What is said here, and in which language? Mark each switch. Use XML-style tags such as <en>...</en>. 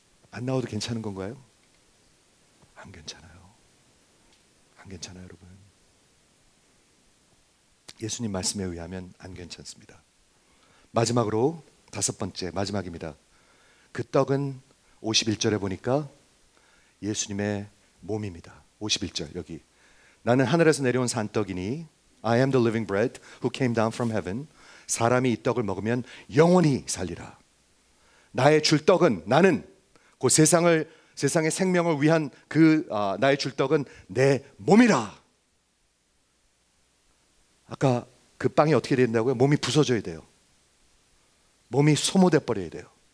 <ko>안 나와도 괜찮은 건가요? 안 괜찮아요. 안 괜찮아요, 여러분. 예수님 말씀에 의하면 안 괜찮습니다. 마지막으로 다섯 번째, 마지막입니다. 그 떡은 51절에 보니까 예수님의 몸입니다. 51절 여기 나는 하늘에서 내려온 산떡이니</ko> <en>I am the living bread who came down from heaven.</en> <ko>사람이 이 떡을 먹으면 영원히 살리라. 나의 줄 떡은 나는 곧 세상의 생명을 위한 그 나의 줄 떡은 내 몸이라. 아까 그 빵이 어떻게 된다고요? 몸이 부서져야 돼요. 몸이 소모돼버려야 돼요.</ko>